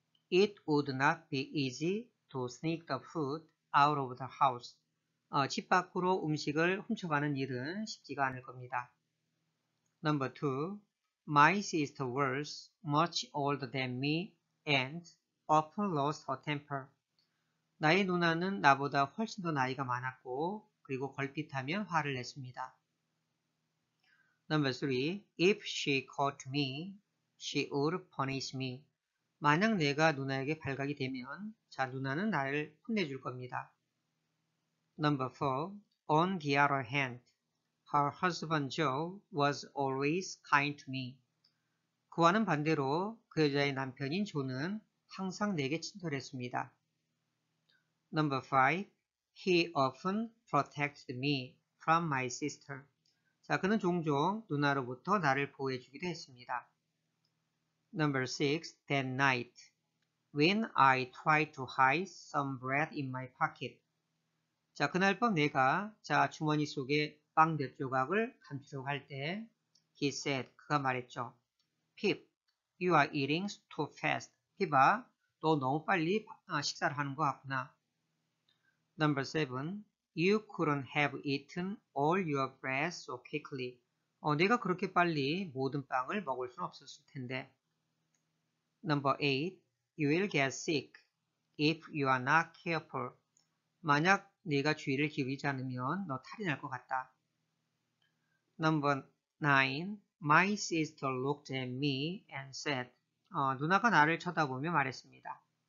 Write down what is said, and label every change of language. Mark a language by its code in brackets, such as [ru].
[en] It would not be easy to sneak the food out of the house. [ko] 집 밖으로 음식을 훔쳐가는 일은 쉽지가 않을 겁니다. [en] Number two, my sister was much older than me and often lost her temper. [ko] 나의 누나는 나보다 훨씬 더 나이가 많았고, 그리고 걸핏하면 화를 냈습니다. [en] Number three, if she caught me, she would punish me. [ko] 만약 내가 누나에게 발각이 되면, 자, 누나는 나를 혼내줄 겁니다. [en] Number four, on the other hand, her husband Joe was always kind to me. [ko] 그와는 반대로 그 여자의 남편인 조는 항상 내게 친절했습니다. [en] Number five, he often protected me from my sister. [ko] 자, 그는 종종 누나로부터 나를 보호해주기도 했습니다. [en] Number six, that night, when I tried to hide some bread in my pocket. [ko] 자, 그날 밤 내가 자 주머니 속에 빵 몇 조각을 감추려고 할 때, [en] he said, [ko] 그가 말했죠. [en] Pip, you are eating too fast. [ko] 피바, 너 너무 빨리 식사를 하는 것 같구나. [en] Number seven, You couldn't have eaten all your bread so quickly. [ko] 내가 그렇게 빨리 모든 빵을 먹을 순 없었을 텐데. [en] Number 8. You will get sick if you are not careful. [ko] 만약 네가 주의를 기울이지 않으면 너 탈이 날 것 같다. [en] Number 9. My sister looked at me and said. [ko] 누나가 나를 쳐다보며 말했습니다.